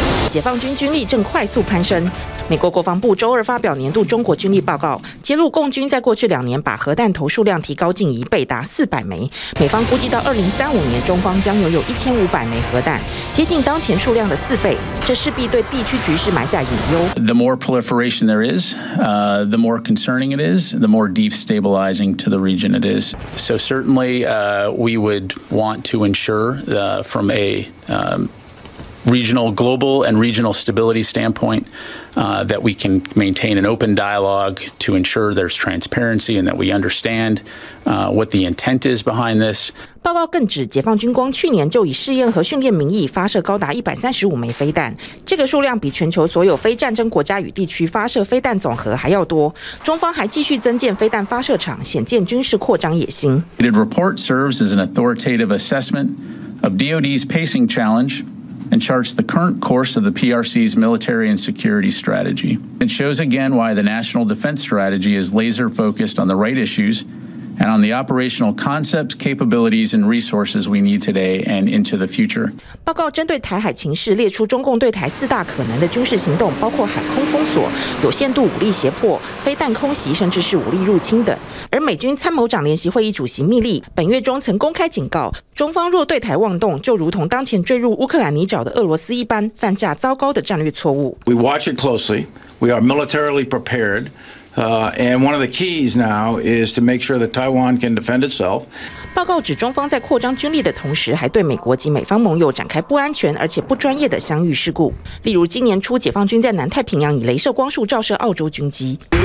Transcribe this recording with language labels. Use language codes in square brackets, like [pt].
[zh] 解放军军力正快速攀升。美国国防部周二发表年度中国军力报告，揭露共军在过去两年把核弹头数量提高近一倍，达400枚。美方估计到2035年，中方将拥有1500枚核弹，接近当前数量的4倍。这势必对地区局势埋下隐忧。 [en] The more proliferation there is, the more concerning it is, the more destabilizing to the region it is. So certainly, we would want to ensure, from a regional, global, and regional stability standpoint, that we can maintain an open dialogue to ensure there's transparency and that we understand, what the intent is behind this. [zh] 报告更指，解放军光去年就以试验和训练名义发射高达135枚飞弹，这个数量比全球所有非战争国家与地区发射飞弹总和还要多。中方还继续增建飞弹发射场，显见军事扩张野心。 [en] The report serves as an authoritative assessment of DoD's pacing challenge and charts the current course of the PRC's military and security strategy. It shows again why the National Defense Strategy is laser focused on the right issues. And on the operational concepts, capabilities, and resources we need today and into the future. [zh] 报告针对台海情势列出中共对台四大可能的军事行动，包括海空封锁、有限度武力胁迫、飞弹空袭，甚至是武力入侵等。而美军参谋长联席会议主席密利本月中曾公开警告，中方若对台妄动，就如同当前坠入乌克兰泥沼的俄罗斯一般，犯下糟糕的战略错误。 [en] We watch it closely. We are militarily prepared. And one of the keys now is to make sure that Taiwan can defend itself. [zh] 报告指中方在扩张军力的同时，还对美国及美方盟友展开不安全而且不专业的相遇事故。例如今年初，解放军在南太平洋以雷射光束照射澳洲军机。